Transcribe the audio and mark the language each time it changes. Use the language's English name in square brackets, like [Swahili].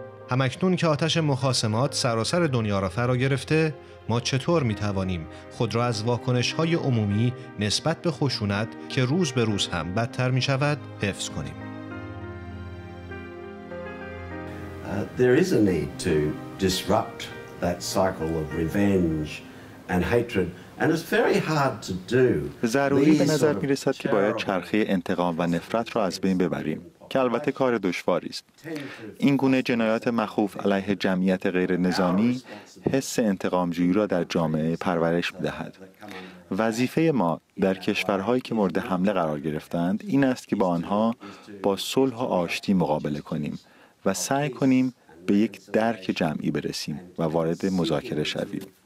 [Persian] هم اکنون که آتش مخاصمات سراسر دنیا را فرا گرفته، ما چطور می توانیم خود را از واکنش های عمومی نسبت به خشونت که روز به روز هم بدتر می شود حفظ کنیم؟ [English] There is a need to disrupt that cycle of revenge and hatred. And it's very hard to do. [Persian] ضروری به نظر می رسد که باید چرخه انتقام و نفرت را از بین ببریم، که البته کار دشواری است. این گونه جنایات مخوف علیه جمعیت غیر نظامی حس انتقام‌جویی را در جامعه پرورش می‌دهد. وظیفه ما در کشورهایی که مورد حمله قرار گرفتند این است که با آنها با صلح و آشتی مقابله کنیم و سعی کنیم به یک درک جمعی برسیم و وارد مذاکره شویم.